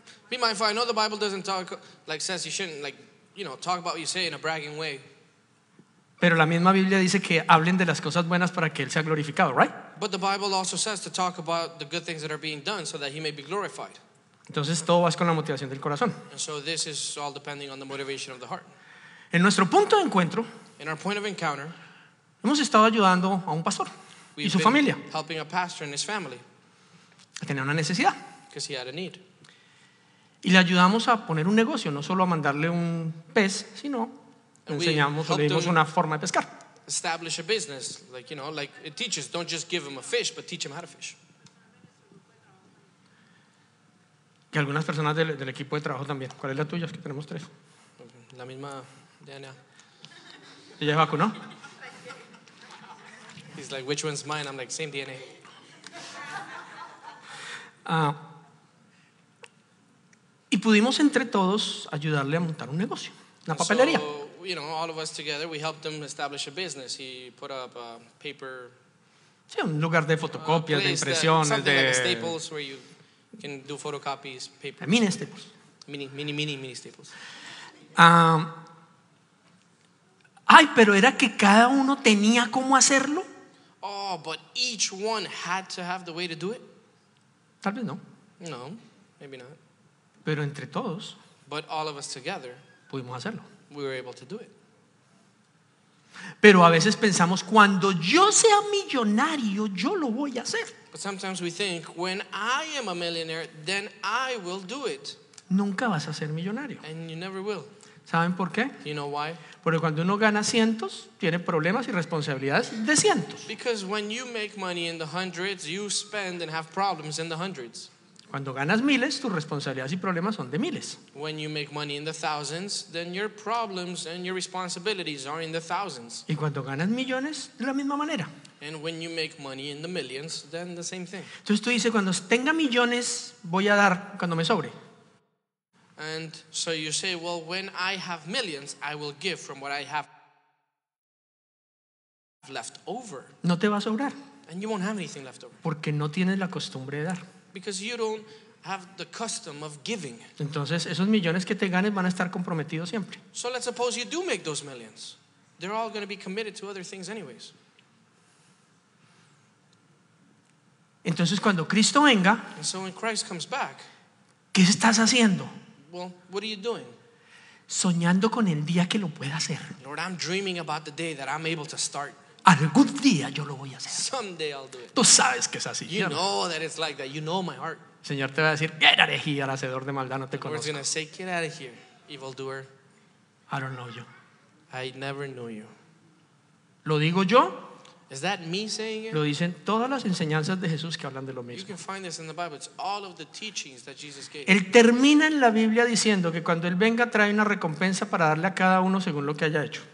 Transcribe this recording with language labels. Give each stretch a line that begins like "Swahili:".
English: Be mindful, I know the Bible doesn't talk, like says you shouldn't, like, you know, talk about what you say in a bragging way.
Spanish: Pero la misma Biblia dice que hablen de las cosas buenas para que él sea glorificado, right?
English: But the Bible also says to talk about the good things that are being done so that he may be glorified.
Spanish: Entonces todo va con la motivación del corazón.
English: And so this is all depending on the motivation of the heart.
Spanish: En nuestro punto de encuentro,
English: in our point of encounter,
Spanish: hemos estado ayudando a un pastor y su familia.
English: Helping a pastor and his family.
Spanish: Tenía una necesidad.
English: Because he had a need.
Spanish: Y le ayudamos a poner un negocio, no solo a mandarle un pez, sino enseñamos, le dimos una forma de pescar.
English: Establish a business, like, you know, like it teaches, don't just give him a fish, but teach him how to fish.
Spanish: Que algunas personas del equipo de trabajo también. ¿Cuál es la tuya? Es que tenemos tres. La misma Diana. Ella es vacuna.
English: He's like, which one's mine? I'm like, same DNA.
Spanish: Y pudimos entre todos ayudarle a montar un negocio, una papelería.
English: So, you know, all of us together, we helped him establish a business. He put up a paper.
Spanish: Sí, un lugar de fotocopias, de impresiones,
English: de. Like a Staples where you can do photocopies, paper. Mini Staples. Mini Staples.
Spanish: Ay, pero era que cada uno tenía cómo hacerlo.
English: Oh, but each one had to have the way to do it.
Spanish: Tal vez no.
English: No, maybe not.
Spanish: Pero entre todos,
English: but all of us together,
Spanish: pudimos hacerlo.
English: We were able to do it.
Spanish: Pero a veces pensamos, cuando yo sea millonario, yo lo voy a hacer.
English: But sometimes we think, when I am a millionaire, then I will do it.
Spanish: Nunca vas a ser millonario.
English: And you never will.
Spanish: ¿Saben por qué?
English: You know why?
Spanish: Porque cuando uno gana cientos, tiene problemas y responsabilidades de cientos.
English: Because when you make money in the hundreds, you spend and have problems in the hundreds.
Spanish: Cuando ganas miles, tus responsabilidades y problemas son de miles.
English: When you make money in the thousands, then your problems and your responsibilities are in the thousands.
Spanish: Y cuando ganas millones, de la misma manera.
English: And when you make money in the millions, then the same thing.
Spanish: Entonces tú dices, cuando tenga millones, voy a dar cuando me sobre.
English: And so you say, well, when I have millions, I will give from what I have left over.
Spanish: No te va a sobrar.
English: And you won't have anything left over.
Spanish: Porque no tienes la costumbre de dar.
English: Because you don't have the custom of giving.
Spanish: Entonces, esos millones que te ganes van a estar comprometidos siempre.
English: So let's suppose you do make those millions. They're all going to be committed to other things anyways.
Spanish: Entonces, cuando Cristo venga,
English: and so when Christ comes back,
Spanish: ¿qué estás haciendo?
English: Well, what are you doing?
Spanish: Soñando con el día que lo pueda hacer.
English: Lord, I'm dreaming about the day that I'm able to start.
Spanish: Algún día yo lo voy a hacer.
English: Someday I'll do it.
Spanish: Tú sabes que es así.
English: You know that it's like that. You know my heart.
Spanish: Señor te va a decir,
English: get out of here,
Spanish: hacedor de maldad, no te conozco.
English: The Lord's gonna say, get out of here, evildoer. I don't know you. I never knew you.
Spanish: ¿Lo digo yo?
English: Is that me saying it?
Spanish: Lo dicen todas las enseñanzas de Jesús que hablan de lo mismo.
English: You can find this in the Bible. It's all of the teachings that Jesus gave.
Spanish: Él termina en la Biblia diciendo que cuando Él venga trae una recompensa para darle a cada uno según lo que haya hecho.